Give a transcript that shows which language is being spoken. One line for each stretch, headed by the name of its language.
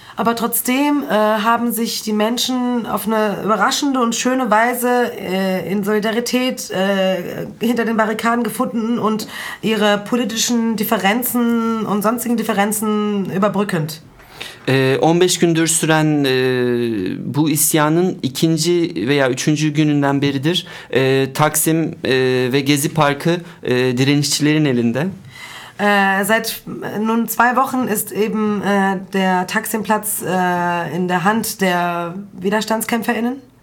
German: Aber trotzdem haben sich die Menschen auf eine überraschende und schöne Weise in Solidarität hinter den Barrikaden gefunden und ihre politischen Differenzen und sonstigen Differenzen überbrückend.
Turkish: 15 gündür süren bu isyanın ikinci veya üçüncü gününden beridir Taksim ve Gezi Parkı direnişçilerin elinde.
German: Seit nun 2 Wochen ist eben der Taksimplatz in der Hand der WiderstandskämpferInnen.